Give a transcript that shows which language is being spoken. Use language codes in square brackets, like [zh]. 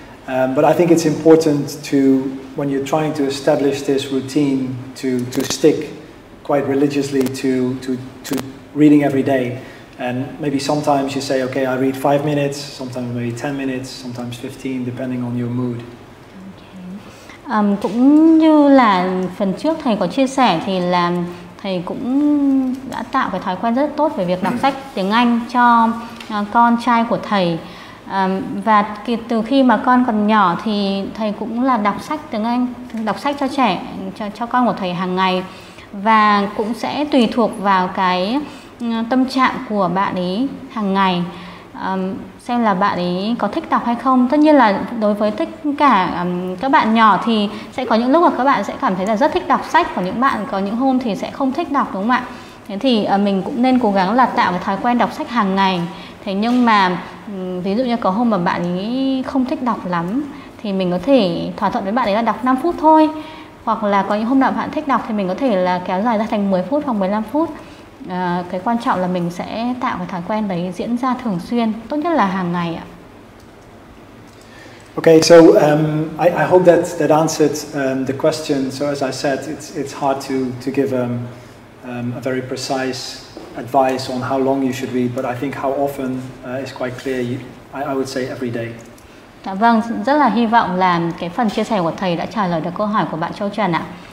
[en] But I think it's important to, when you're trying to establish this routine, to stick quite religiously to reading every day. And maybe sometimes you say, okay, I read 5 minutes, sometimes maybe 10 minutes, sometimes 15, depending on your mood. Okay. [vi] Cũng như là phần trước thầy có chia sẻ thì là thầy cũng đã tạo cái thói quen rất tốt về việc đọc sách tiếng Anh cho con trai của thầy. Và từ khi mà con còn nhỏ thì thầy cũng là đọc sách tiếng Anh, đọc sách cho trẻ, cho con của thầy hàng ngày. Và cũng sẽ tùy thuộc vào cái tâm trạng của bạn ấy hàng ngày, xem là bạn ấy có thích đọc hay không. Tất nhiên là đối với tất cả các bạn nhỏ thì sẽ có những lúc mà các bạn sẽ cảm thấy là rất thích đọc sách, còn những bạn có những hôm thì sẽ không thích đọc, đúng không ạ? Thế thì mình cũng nên cố gắng là tạo cái thói quen đọc sách hàng ngày. Thế nhưng mà ví dụ như có hôm mà bạn ấy không thích đọc lắm thì mình có thể thỏa thuận với bạn ấy là đọc 5 phút thôi, hoặc là có những hôm nào bạn thích đọc thì mình có thể là kéo dài ra thành 10 phút hoặc 15 phút. Cái quan trọng là mình sẽ tạo cái thói quen đấy diễn ra thường xuyên, tốt nhất là hàng ngày ạ. [en] Okay, so I hope that answered the question. So as I said, it's hard to give a very precise advice on how long you should read, but I think how often is quite clear. I would say every day. [vi] Dạ vâng, rất là hy vọng là cái phần chia sẻ của thầy đã trả lời được câu hỏi của bạn Châu Trần ạ.